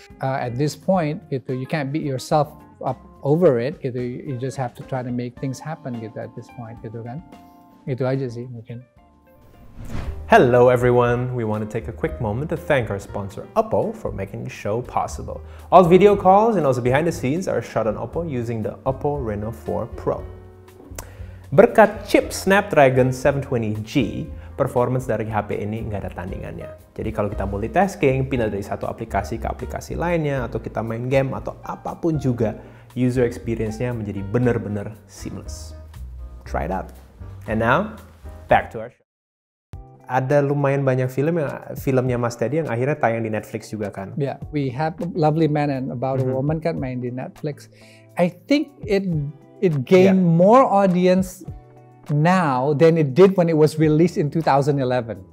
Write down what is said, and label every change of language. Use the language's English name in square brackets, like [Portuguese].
[English] At this point gitu, you can't beat yourself up over it gitu, you just have to try to make things happen gitu at this point gitu kan. [Indonesian] Itu aja sih mungkin. [English] Hello everyone, we want to take a quick moment to thank our sponsor Oppo for making the show possible. All video calls and also behind the scenes are shot on Oppo using the Oppo Reno 4 Pro. [Indonesian] Berkat chip Snapdragon 720G, performance dari HP ini nggak ada tandingannya. Jadi kalau kita multitasking, pindah dari satu aplikasi ke aplikasi lainnya, atau kita main game atau apapun juga, user experience-nya menjadi benar-benar seamless. [English] Try it out. And now, back to our show. [Indonesian] Ada lumayan banyak filmnya Mas Teddy yang akhirnya tayang di Netflix juga kan? [English] Yeah, we have Lovely Man and About a Woman [Indonesian] kan main di [English] Netflix. I think it gained more audience now than it did when it was released in 2011.